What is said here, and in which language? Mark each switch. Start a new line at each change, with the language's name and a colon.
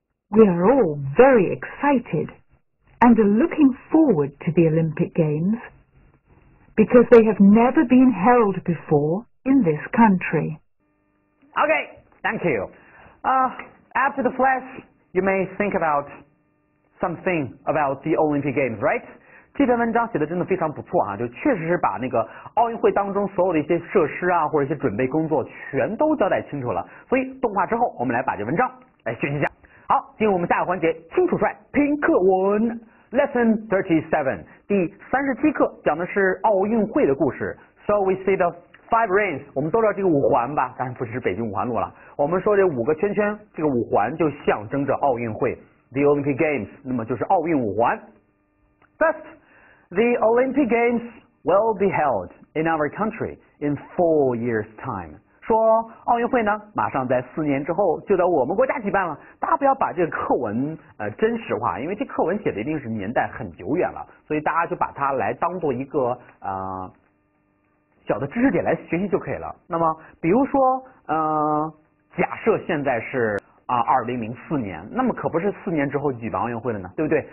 English: We are all very excited and are looking forward to the Olympic Games because they have never been held before in this country. Okay, thank you. After the flash, you may think about something about the Olympic Games, right?
Chinese: 这篇文章写的真的非常不错啊，就确实是把那个奥运会当中所有的一些设施啊，或者一些准备工作全都交代清楚了。所以动画之后，我们来把这文章来学习一下。好，进入我们下一个环节，清楚帅拼课文 ，Lesson 37，第37课讲的是奥运会的故事。
English: So we see the five rings，
Chinese: 我们都知道这个五环吧？当然不是北京五环路了。我们说这五个圈圈，这个五环就象征着奥运会 ，The Olympic Games， 那么就是奥运五环。
English: First, the Olympic Games will be held in our country in 4 years' time.
Chinese: 说奥运会呢，马上在四年之后就在我们国家举办了。大家不要把这个课文真实化，因为这课文写的一定是年代很久远了，所以大家就把它来当做一个小的知识点来学习就可以了。那么，比如说假设现在是2004年，那么可不是四年之后举办奥运会了呢，对不对？